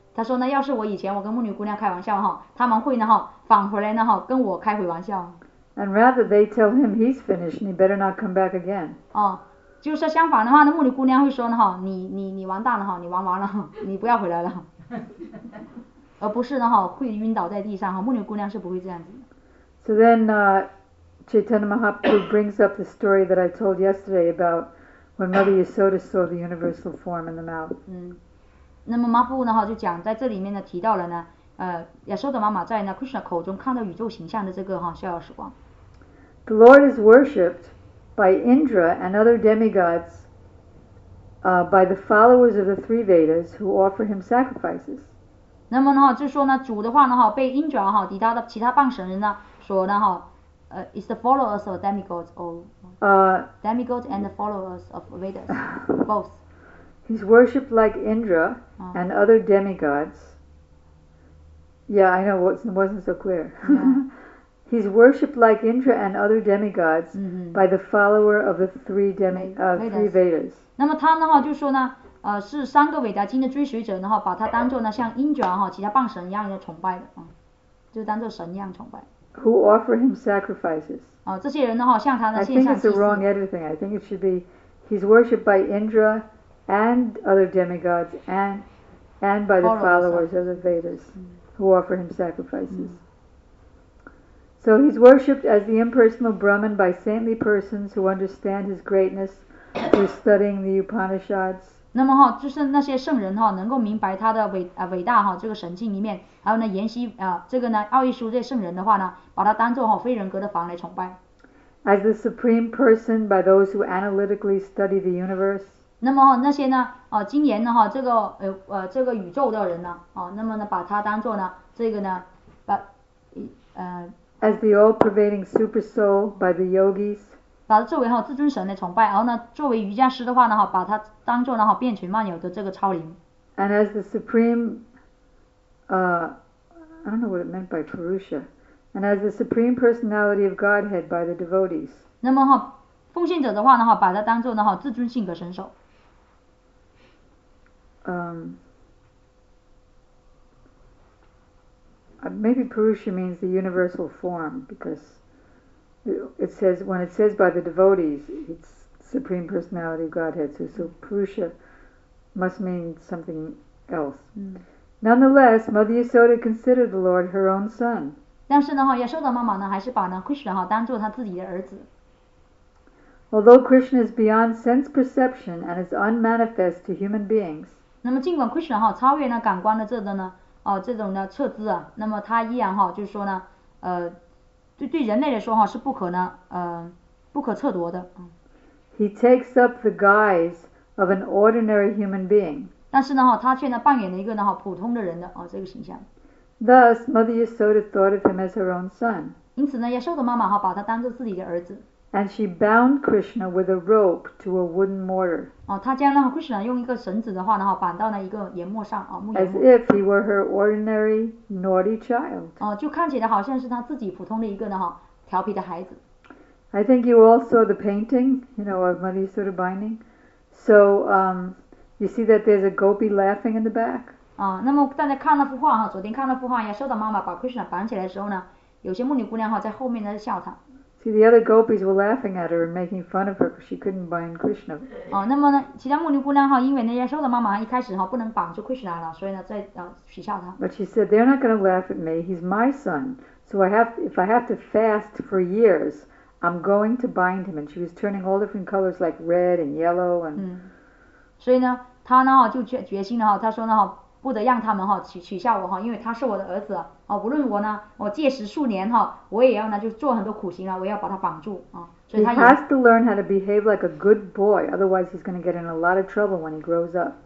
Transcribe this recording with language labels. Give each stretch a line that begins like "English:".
Chinese: 他说呢，要是我以前我跟牧女姑娘开玩笑哈，他们会呢哈返回来呢哈跟我开回玩笑。
English: And rather they tell him he's finished and he better not come back again.
Chinese: 就是相反的话，那牧女姑娘会说呢哈，你完蛋了哈，你玩完了，你不要回来了。而不是呢哈，会晕倒在地上哈，牧女姑娘是不会这样子。
English: So then, Chaitanya Mahaprabhu brings up the story that I told yesterday about when Mother Yasoda saw the universal form in the mouth.
Chinese: 那么马布呢哈就讲在这里面呢提到了呢。 Yasoda 妈妈在呢 Krishna 口中看到宇宙形象的这个哈逍遥时光。
English: The Lord is worshipped by Indra and other demigods, by the followers of the three Vedas who offer him sacrifices.
Chinese: 那么呢，就是说呢，主的话呢，被 Indra 哈抵达的其他半神人呢，所呢哈，
English: is the followers of demigods or demigods and the followers of Vedas, both. He's worshipped like Indra and other demigods. Yeah, I know, it wasn't so clear. He's worshipped like Indra and other demigods by the follower of the three Vedas.
Chinese: 那么他呢就说呢是三个伟大经的追随者呢把他当作呢像 Indra 其他半神一样的崇拜的就当作神一样崇拜。
English: Who offer him sacrifices?
Chinese: 这些人呢向他呢献上祭祀。
English: I think it's the wrong editing. I think it should be he's worshipped by Indra and other demigods and by the followers of the Vedas. Who offer him sacrifices. So he's worshipped as the impersonal Brahman by saintly persons who understand his greatness through studying the Upanishads.
Chinese: 那么哈，就是那些圣人哈，能够明白他的伟大哈，这个神境里面，还有呢，研习这个呢，奥义书这圣人的话呢，把他当作哈非人格的房来崇拜。
English: As the supreme person by those who analytically study the universe.
Chinese: 那么那些呢经研呢这个宇宙的人呢那么呢把它当作呢这个呢
English: as the all pervading super soul by the yogis
Chinese: 把它作为哈至尊神的崇拜，然后呢，作为瑜伽师的话呢，哈，把它当做呢哈遍群漫游的这个超灵。
English: And as the supreme, I don't know what it meant by Purusha, and as the supreme personality of Godhead by the devotees.
Chinese: 那么哈，奉献者的话呢，哈，把它当做呢哈至尊性格神手。
English: Maybe Purusha means the universal form because it says, when it says by the devotees, it's Supreme Personality of Godhead. So Purusha must mean something else. Nonetheless, Mother Yasoda considered the Lord her own son.
Chinese: 但是呢，哈，Yasoda妈妈呢，还是把呢 Krishna 当做她自己的儿子。
English: Although Krishna is beyond sense perception and is unmanifest to human beings.
Chinese: 那么尽管 Krishna 哈超越呢感官的这个呢。哦，这种的测知啊，那么他依然哈，就是说呢，对人类来说哈是不可呢，不可测夺的。
English: He takes up the guise of an ordinary human being.
Chinese: 但是呢哈，他却呢扮演了一个呢哈普通的人的啊、哦、这个形象。
English: Thus, Mother Yasoda thought of him as her own son.
Chinese: 因此呢，Yasoda妈妈哈把他当做自己的儿子。
English: And she bound Krishna with a rope to a wooden mortar.
Chinese: 哦，她将那 Krishna 用一个绳子的话呢，哈，绑到了一个岩磨上啊，木岩磨。
English: As if he were her ordinary naughty child.
Chinese: 哦，就看起来好像是她自己普通的一个呢，哈，调皮的孩子。
English: I think you all saw the painting, you know, of Mother Yasoda binding. So, you see that there's a gopi laughing in the back.
Chinese: 啊、哦，那么大家看那幅画哈，昨天看那幅画，Yasoda妈妈把 Krishna 绑起来的时候呢，有些牧女姑娘哈在后面在笑她。
English: See, the other gopis were laughing at her and making fun of her because she couldn't bind Krishna.
Chinese: 哦，那么呢，其他牧女姑娘哈，因为那些瘦的妈妈一开始哈不能绑住 Krishna 了，所以呢，在取笑她。
English: But she said, "They're not going to laugh at me. He's my son. So if I have to fast for years, I'm going to bind him." And she was turning all different colors like red and yellow and.
Chinese: 嗯，所以呢，她呢就决心了哈，她说呢哈，不得让他们哈取笑我哈，因为他是我的儿子。哦，不论我呢，我戒食数年哈，我也要呢，就做很多苦行啊，我要把他绑住啊。所以他
English: He has to learn how to behave like a good boy, otherwise he's going to get in a lot of trouble when he grows up.